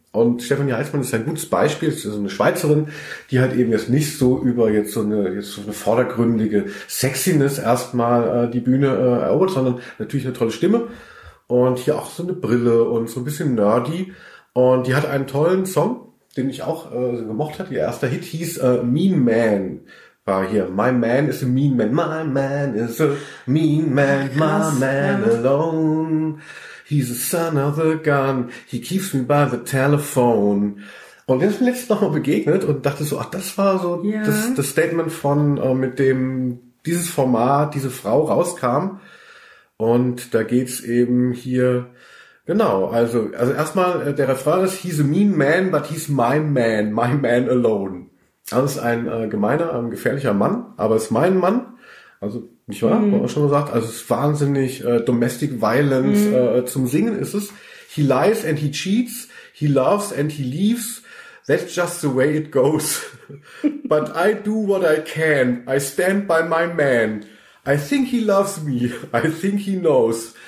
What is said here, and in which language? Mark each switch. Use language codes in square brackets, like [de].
[de] Und Stefanie Heinzmann ist ein gutes Beispiel. Das ist eine Schweizerin, die halt eben jetzt nicht so über jetzt so eine vordergründige Sexiness erstmal die Bühne erobert, sondern natürlich eine tolle Stimme. Und hier auch so eine Brille und so ein bisschen nerdy. Und die hat einen tollen Song, den ich auch gemocht hatte. Ihr erster Hit hieß Mean Man. War hier, [en] my man is a mean man. My man is a mean man. My man alone. He's the son of the gun. He keeps me by the telephone. [de] Und wir sind letztens nochmal begegnet und dachte so, ach, das war so das Statement von, mit dem dieses Format, diese Frau rauskam. Und da geht's eben hier, genau, also erstmal, der Refrain ist, [en] he's a mean man, but he's my man alone. [de] Das ist ein gemeiner, ein gefährlicher Mann, aber ist mein Mann, also nicht wahr, haben wir schon gesagt, also es ist wahnsinnig domestic violence zum Singen ist es. [en] He lies and he cheats, he loves and he leaves, that's just the way it goes. But I do what I can, I stand by my man, I think he loves me, I think he knows.